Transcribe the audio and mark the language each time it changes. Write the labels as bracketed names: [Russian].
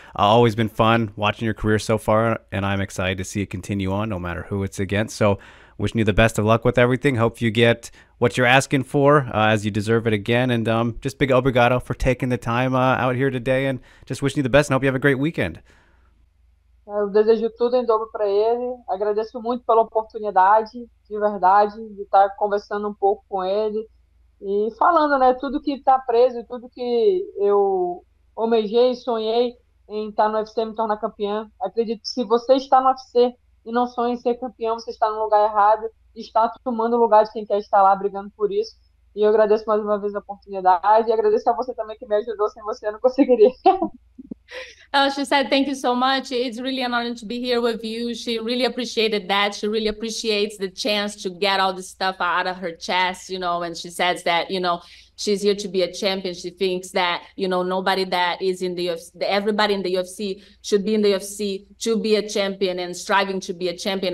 [English] Always been fun watching your career so far, and I'm excited to see it continue on, no matter who it's against. So wishing you the best of luck with everything. Hope you get what you're asking for, as you deserve it again. And just big obrigado for taking the time out here today. And just wishing you the best and hope you have a great weekend. [Portuguese] Eu desejo tudo em dobro para ele. Agradeço muito pela oportunidade, de verdade, de estar conversando um pouco com ele e falando, né, tudo que está preso, tudo que eu almejei e sonhei em estar no UFC e me tornar campeã. Acredito que se você está no UFC e não sonha em ser campeão, você está no lugar errado e está tomando o lugar de quem quer estar lá brigando por isso. E eu agradeço mais uma vez a oportunidade e agradeço a você também que me ajudou. Sem você, eu não conseguiria. [English] She said, "Thank you so much. It's really an honor to be here with you." She really appreciated that. She really appreciates the chance to get all this stuff out of her chest, and she says that, she's here to be a champion. She thinks that, nobody that is in the UFC, everybody in the UFC should be in the UFC to be a champion and striving to be a champion.